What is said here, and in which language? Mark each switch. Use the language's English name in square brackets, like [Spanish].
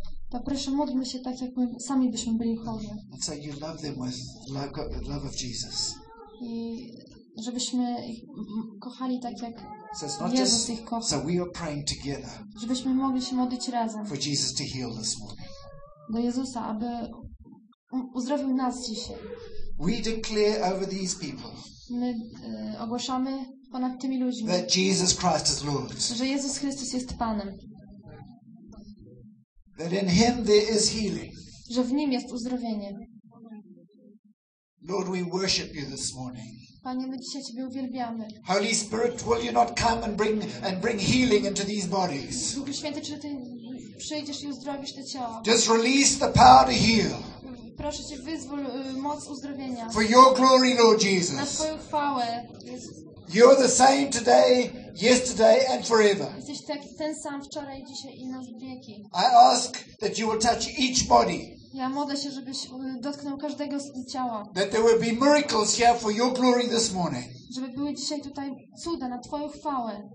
[Polish] To proszę, módlmy się tak, jak my sami byśmy byli chorzy. [English] And so you love them with love of Jesus. [Polish] I żebyśmy ich kochali tak, jak Jezus ich kocha. [English] So we are praying together. [Polish] Żebyśmy mogli się modlić razem. [English] For Jesus to heal this morning. [Polish] Do Jezusa, aby uzdrowił nas dzisiaj. [English] We declare over these people. [Polish] My ogłaszamy ponad tymi ludźmi. [English] That Jesus Christ is Lord. [Polish] Że Jezus Chrystus jest Panem. [English] That in Him there is healing. [Polish] Że w Nim jest uzdrowienie. [English] Lord, we worship You this morning. [Polish] Panie, my dzisiaj Ciebie uwielbiamy. [English] Holy Spirit, will You not come and bring healing into these bodies? [Polish] Duchu Święty, czy Ty przyjdziesz i uzdrowisz te ciała? [English] Just release the power to heal. [Polish] Proszę Cię, wyzwól moc uzdrowienia. [English] For Your glory, Lord Jesus. [Polish] Na Twoją chwałę. [English] You're the same today, yesterday and forever. [Polish] Jesteś tak ten sam wczoraj, dzisiaj i na wieki. [English] I ask that You will touch each body. [Polish] Ja modlę się, żebyś dotknął każdego z ciała. [English] That there will be miracles here for Your glory this morning. [Polish] Żeby były dzisiaj tutaj cuda na Twoją chwałę.